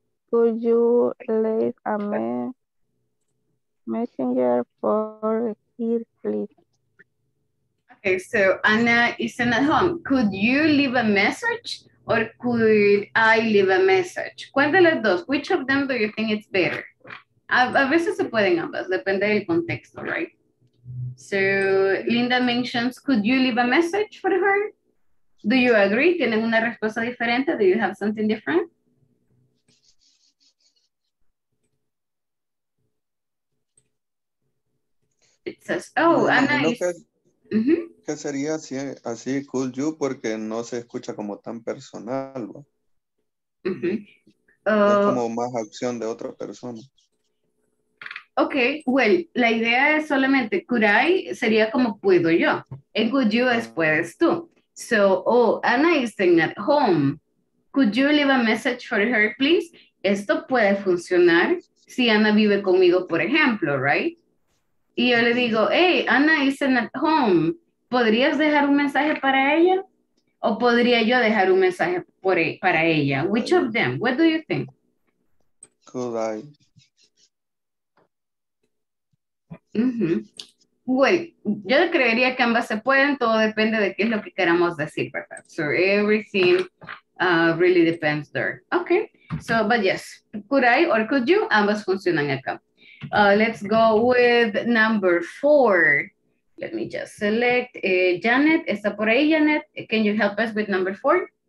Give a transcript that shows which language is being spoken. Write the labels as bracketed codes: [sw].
[en] Could you leave a messenger for her, please? Okay, so Anna isn't at home. Could you leave a message or could I leave a message? [es] ¿Cuál de las dos? [en] Which of them do you think it's better? [es] A veces se pueden ambas, depende del contexto, right? [en] So Linda mentions, could you leave a message for her? Do you agree? [es] ¿Tienen una respuesta diferente? [en] Do you have something different? It says, oh, no, Anna [es] is... ¿Qué sería así, así, [en] could you? [es] Porque no se escucha como tan personal, ¿no? Mm-hmm. Es como más acción de otra persona. Ok, well, la idea es solamente, [en] could I [es] sería como puedo yo. [en] And could you [es] es puedes tú. [en] So, oh, Anna is staying at home. Could you leave a message for her, please? [es] Esto puede funcionar si Anna vive conmigo, por ejemplo, right? Y yo le digo, [en] hey, Anna isn't at home. [es] ¿Podrías dejar un mensaje para ella? ¿O podría yo dejar un mensaje para ella? [en] Which of them? What do you think? Could I? Mm-hmm. [es] Well, yo creería que ambas se pueden, todo depende de qué es lo que queramos decir, ¿verdad? [en] So everything really depends there. Okay, so, but yes, could I or could you? [es] Ambas funcionan acá. [en] Let's go with number four. Let me just select Janet. [es] ¿Está por ahí, Janet? [en] Can you help us with number four?